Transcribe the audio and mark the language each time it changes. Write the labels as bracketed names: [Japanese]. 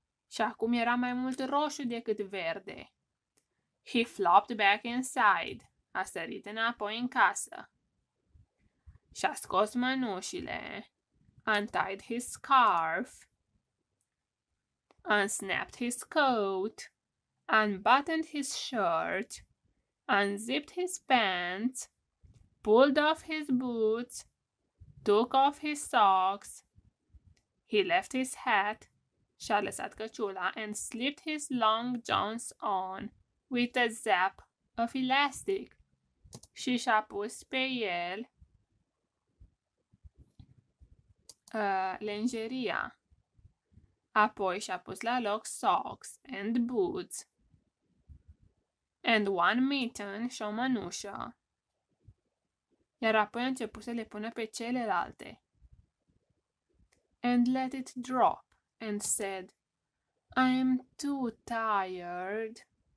[Romanian] Și acum era mai mult roșu decât verde. [English] He flopped back inside, [Romanian] a sărit înapoi în casă. Și-a scos mănușile, [English] untied his scarf, unsnapped his coat, unbuttoned his shirt, unzipped his pants, pulled off his boots, took off his socks, he left his hat, [Romanian] și-a lăsat căciula, [English] and slipped his long johns on with a zap of elastic. [Romanian] Și și-a pus pe el lingeria. Apoi și-a pus la loc [English] socks and boots and one mitten [Romanian] și-o mănușă. Iar apoi a început să le pună pe celelalte. [English] And let it drop and said, I'm too tired.